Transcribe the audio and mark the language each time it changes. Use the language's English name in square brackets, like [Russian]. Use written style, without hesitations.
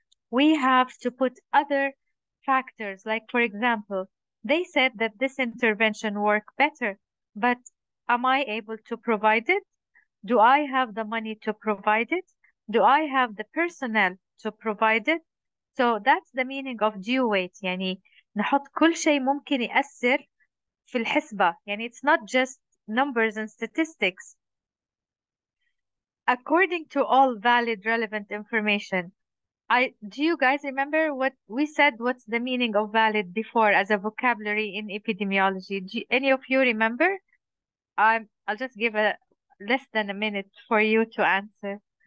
[English] We have to put other factors. Like, for example, they said that this intervention worked better, but am I able to provide it? Do I have the money to provide it? Do I have the personnel to provide it? So that's the meaning of due weight. [Arabic] يعني نحط كل شيء ممكن يأثر في الحسبة. [English] يعني it's not just numbers and statistics. According to all valid relevant information, do you guys remember what we said? What's the meaning of valid before as a vocabulary in epidemiology? Do any of you remember? I'll just give a less than a minute for you to answer.